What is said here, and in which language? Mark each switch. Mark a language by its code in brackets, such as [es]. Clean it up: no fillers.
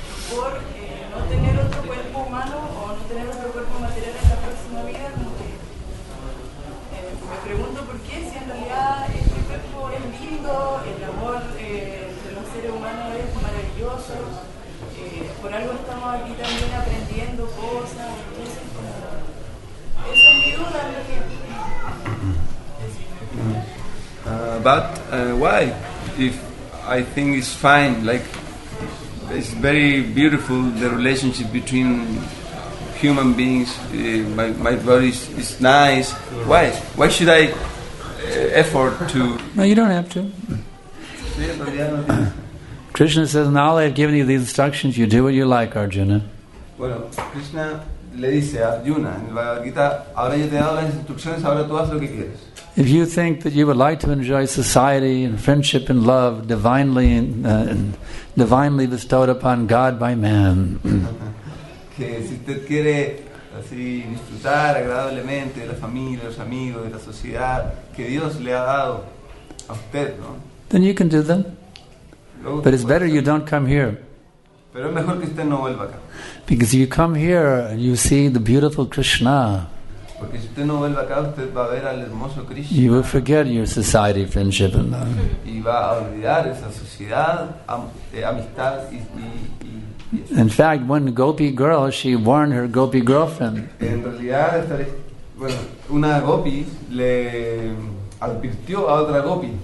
[es] por no tener otro cuerpo humano o no tener otro cuerpo material en la próxima vida, como que me pregunto por qué, si en realidad este cuerpo es lindo, el amor de los seres humanos es maravilloso, por algo estamos aquí también aprendiendo cosas, entonces como, esa es mi duda, ¿no? [en] But why? If I think it's fine, like it's very beautiful, the relationship between human beings, my body is nice, why? Why should I effort to... No, you don't have to. Krishna says, now that I've given you these instructions, you do what you like, Arjuna. [es] Bueno, Krishna le dice a Arjuna, en el Bhagavad Gita, ahora yo te he dado las instrucciones, ahora tú haz lo que quieres. [en] If you think that you would like to enjoy society and friendship and love divinely and divinely bestowed upon God by man, [es] que si usted quiere así disfrutar agradablemente de la familia, los amigos, de la sociedad que Dios le ha dado a usted, ¿no? [en] Then you can do them. But it's better you don't come here. [es] Pero es mejor que usted no vuelva acá. [en] Because if you come here and you see the beautiful Krishna, [es] porque si usted no vuelve acá, usted va a ver al hermoso Krishna. [en] You will forget your society, friendship, and love. [es] Y va a olvidar esa sociedad, amistad y. [en] In fact, one gopi girl, she warned her gopi girlfriend. [es] En realidad, una gopi le advirtió a otra gopi.